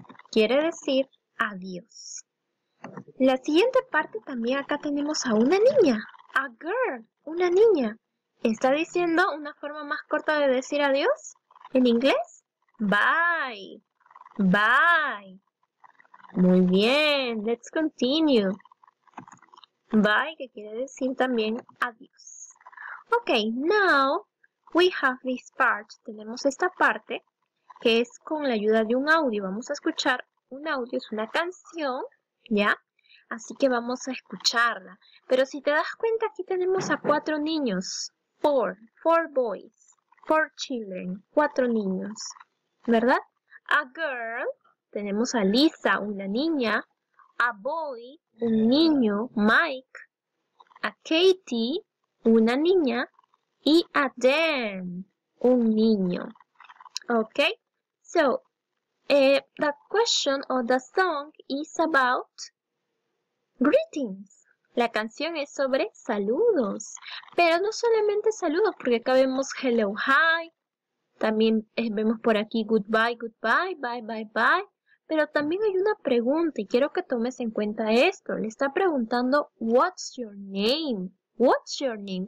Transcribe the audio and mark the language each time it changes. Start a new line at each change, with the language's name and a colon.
Spanish: Quiere decir adiós. La siguiente parte también acá tenemos a una niña,
English: a girl,
Spanish: una niña. ¿Está diciendo una forma más corta de decir adiós en inglés? Bye. Bye. Muy bien.
English: Let's continue.
Spanish: Bye, que quiere decir también adiós.
English: Okay, now we have this part.
Spanish: Tenemos esta parte que es con la ayuda de un audio. Vamos a escuchar un audio, es una canción, ¿ya? Así que vamos a escucharla. Pero si te das cuenta, aquí tenemos a cuatro niños.
English: Four boys, four children,
Spanish: cuatro niños, ¿verdad?
English: A girl,
Spanish: tenemos a Lisa, una niña.
English: A boy,
Spanish: un niño, Mike. A Katie, una niña. Y a Dan, un niño. ¿Ok?
English: So, the question or the song is about greetings.
Spanish: La canción es sobre saludos. Pero no solamente saludos, porque acá vemos hello, hi. También vemos por aquí
English: goodbye, goodbye, bye, bye, bye.
Spanish: Pero también hay una pregunta y quiero que tomes en cuenta esto. Le está preguntando,
English: what's your name? What's your name?